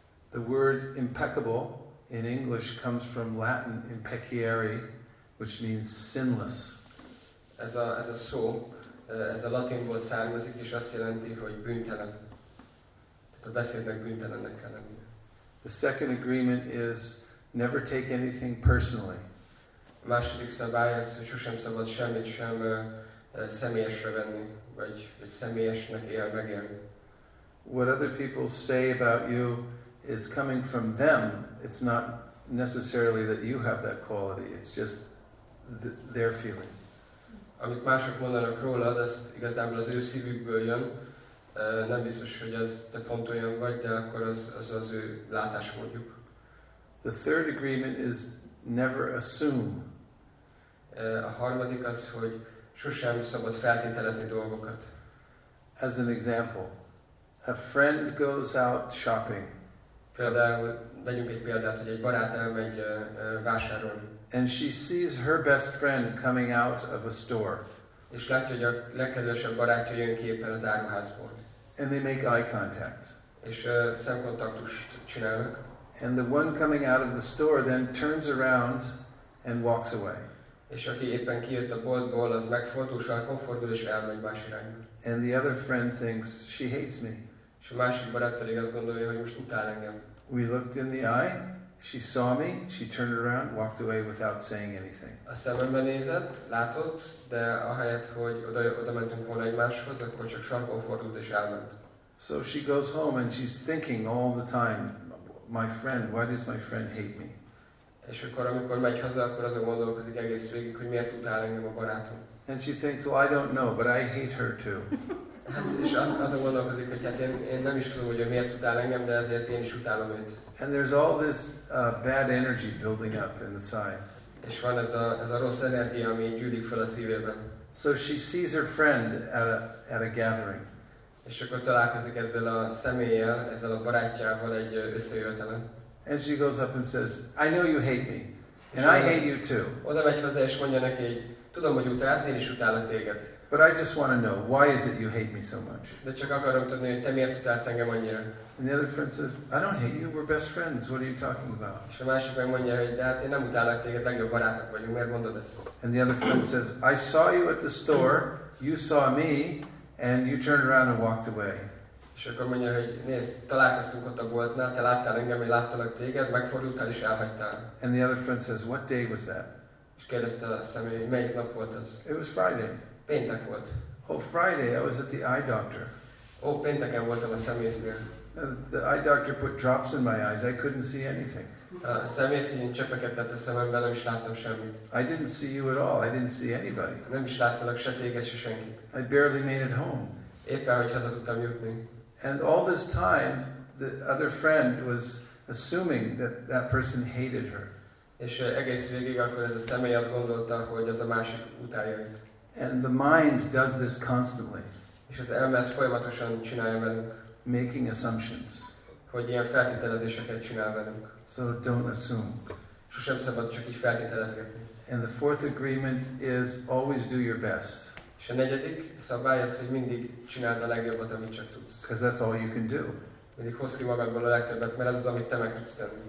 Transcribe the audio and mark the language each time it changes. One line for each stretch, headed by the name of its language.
English: The word impeccable in English comes from Latin impeccare, which means sinless.
Hungarian: Ez a szó, ez a latinból származik, és azt jelenti, hogy bűntelen. Tehát a beszédnek bűntelennek kell lennie.
English: The second agreement is never take anything personally.
Hungarian: A második szabály az, hogy sosem szabad semmit sem személyesre venni, vagy személyesnek megélni.
English: What other people say about you is coming from them. It's not necessarily that you have that quality. It's just their feeling.
Hungarian: Amit mások mondanak rólad, azt igazából az ő szívükből jön. Nem biztos, hogy ez te pont olyan vagy, de akkor az ő látásmódjuk.
English: The third agreement is never assume.
Hungarian: A harmadik az, hogy sosem szabad feltételezni dolgokat.
English: As an example, a friend goes out shopping.
Hungarian: Például, vegyünk egy példát, hogy egy barát elmegy vásárolni.
English: And she sees her best friend coming out of a store.
Hungarian: És látja, hogy a legkedvesebb barátja jön ki éppen az áruházból.
English: And they make eye contact.
Hungarian: És szemkontaktust csinálnak.
English: And the one coming out of the store then turns around and walks away.
Hungarian: És aki éppen kijött a boltból, az megfordul, sarkon fordul és elmegy más irányba.
English: And the other friend thinks she hates me.
Hungarian: És a másik barát pedig azt gondolja, hogy most utál engem.
English: We looked in the eye. She saw me. She turned around, walked away without saying anything.
Hungarian: A szemembe nézett, látott, de ahelyett, hogy oda mentünk volna egymáshoz, akkor csak sarkon fordult és elment.
English: So she goes home and she's thinking all the time. My friend, why does my friend hate me?
Hungarian: És akkor, amikor megy haza, akkor azon gondolkozik egész végig, hogy miért utál engem a barátom.
English: And she thinks, well, I don't know, but I hate her too.
Hungarian: És azon gondolkozik, hogy hát én nem is tudom, hogy miért utál engem, de ezért én is utálom őt.
English: And there's all this bad energy building up in the side.
Hungarian: És van ez a rossz energia, ami gyűlik fel a szívében.
English: So she sees her friend at a gathering.
Hungarian: És akkor találkozik ezzel a személlyel, ezzel a barátjával egy összejövetelen.
English: And she goes up and says, I know you hate me, and I hate you too.
Hungarian: Oda megy hozzá, és mondja neki, hogy tudom, hogy utálsz, én is utálok téged.
English: But I just want to know, why is it you hate me so much?
Hungarian: De csak akarom tudni, hogy te miért utálsz engem annyira.
English: And the other friend says, I don't hate you, we're best friends, what are you talking about?
Hungarian: És a másik meg mondja, hogy de hát én nem utálok téged, legjobb barátok vagyunk, miért mondod ezt?
English: And the other friend says, I saw you at the store, you saw me, and you turned around and walked away.
Hungarian: És akkor mondja, hogy nézd, találkoztunk ott a boltnál, te láttál engem, én láttalak téged, megfordultál és elhagytál.
English: And the other friend says, what day was that?
Hungarian: És kérdezte a személy, melyik nap volt az?
English: It was Friday.
Hungarian: Péntek volt.
English: Oh, Friday, I was at the eye doctor.
Hungarian: Oh, pénteken voltam a szemésznél.
English: The eye doctor put drops in my eyes, I couldn't see anything.
Hungarian: A szemészén csöpeket tett a szememben, nem is láttam semmit.
English: I didn't see you at all, I didn't see anybody.
Hungarian: Nem is láttalak se téged, se senkit.
English: I barely made it home.
Hungarian: Éppen, hogy haza tudtam jutni.
English: And all this time, the other friend was assuming that person hated her.
Hungarian: És egész végig akkor ez a személy azt gondolta, hogy az a másik utálja őt.
English: And the mind does this constantly.
Hungarian: És az elme ezt folyamatosan csinálja velünk.
English: Making assumptions.
Hungarian: Hogy ilyen feltételezéseket csinál velünk.
English: So don't assume.
Hungarian: Sosem szabad csak így feltételezgetni.
English: And the fourth agreement is always do your best.
Hungarian: És a negyedik szabály az, hogy mindig csináld a legjobbat, amit csak tudsz.
English: Because that's all you can do.
Hungarian: Mindig hozd ki magadból a legtöbbet, mert ez az, amit te meg tudsz tenni.